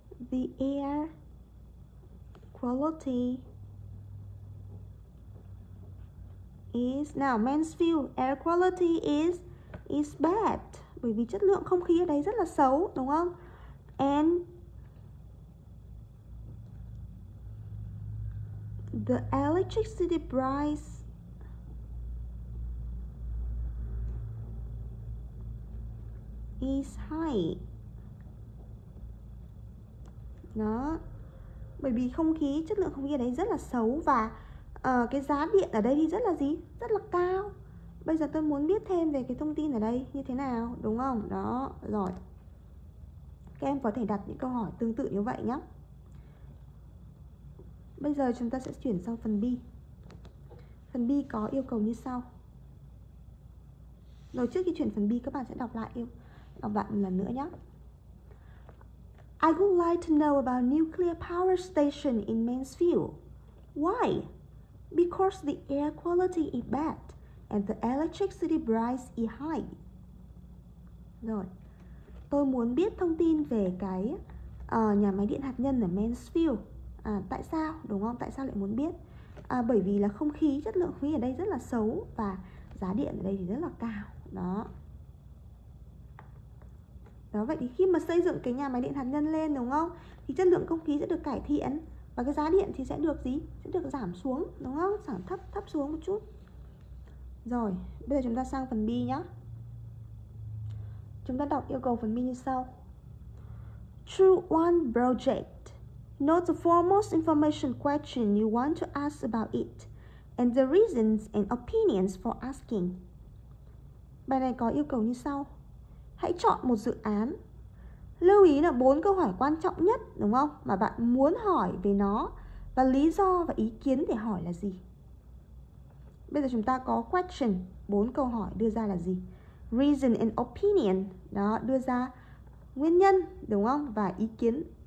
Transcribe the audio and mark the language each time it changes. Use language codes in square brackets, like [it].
[en] The air quality is, now Mansfield, air quality is bad. [vi] Bởi vì chất lượng không khí ở đây rất là xấu, đúng không? [en] And The electricity price. Is high. [vi] Đó. Bởi vì không khí, chất lượng không khí ở đây rất là xấu. Và cái giá điện ở đây thì rất là gì? Rất là cao. Bây giờ tôi muốn biết thêm về cái thông tin ở đây như thế nào, đúng không? Đó, rồi. Các em có thể đặt những câu hỏi tương tự như vậy nhé. Bây giờ chúng ta sẽ chuyển sang phần B. Phần B có yêu cầu như sau. Rồi trước khi chuyển phần B, các bạn sẽ đọc lại yêu các bạn lần nữa nhé. [en] I would like to know about nuclear power station in Mansfield. Why? Because the air quality is bad and the electricity price is high. [vi] Rồi, tôi muốn biết thông tin về cái nhà máy điện hạt nhân ở Mansfield. Tại sao, đúng không? Tại sao lại muốn biết? Bởi vì là không khí, chất lượng không khí ở đây rất là xấu và giá điện ở đây thì rất là cao. Đó. Đó, vậy thì khi mà xây dựng cái nhà máy điện hạt nhân lên, đúng không, thì chất lượng không khí sẽ được cải thiện và cái giá điện thì sẽ được gì, sẽ được giảm xuống, đúng không, giảm thấp xuống một chút. Rồi bây giờ chúng ta sang phần B nhé. Chúng ta đọc yêu cầu phần B như sau. [en] True one project. Note the foremost information question you want to ask about it and the reasons and opinions for asking. [vi] Bài này có yêu cầu như sau. Hãy chọn một dự án. Lưu ý là bốn câu hỏi quan trọng nhất, đúng không, mà bạn muốn hỏi về nó và lý do và ý kiến để hỏi là gì. Bây giờ chúng ta có question, bốn câu hỏi đưa ra là gì? [en] Reason and opinion, [vi] đó, đưa ra nguyên nhân, đúng không, và ý kiến.